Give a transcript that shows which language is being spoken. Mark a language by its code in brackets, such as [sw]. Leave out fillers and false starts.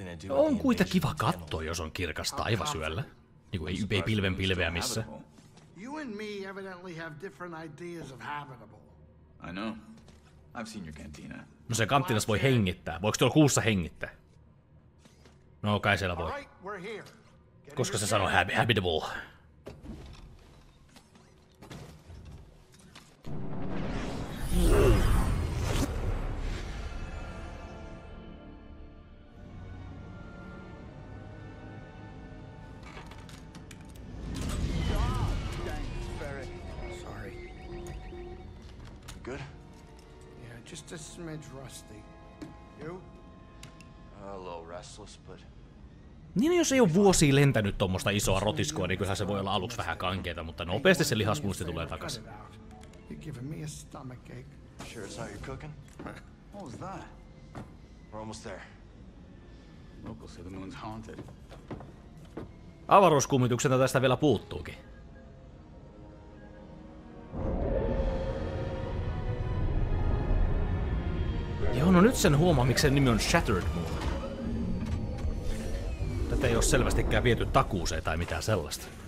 [fi] On kuita kiva kattoa, jos on kirkas taivas yöllä. Niin kuin ei pilven pilveä missä. [en] You and me evidently have different ideas of habitable. I know. I've seen your cantina. [fi] No se kanttinas voi hengittää. Voiko tuolla kuussa hengittää? No kai siellä voi. Koska se sanoo habitable. [en] Just a smidge rusty. You? A little restless, but... [fi] Niin jos ei ole vuosia lentänyt tuommoista isoa rotiskoa, niin kyllähän se voi olla aluksi vähän kankeeta, mutta nopeasti se lihasmuisti tulee takaisin. [en] You're giving me a stomachache. Sure it's how you're cooking? What was that? We're almost there. Locals say the moon's haunted. [fi] Avaruuskummituksena tästä vielä puuttuukin. Joo, no nyt sen huomaa, miksi sen nimi on Shattered Moon. Tätä ei ole selvästikään viety takuuseen tai mitään sellaista.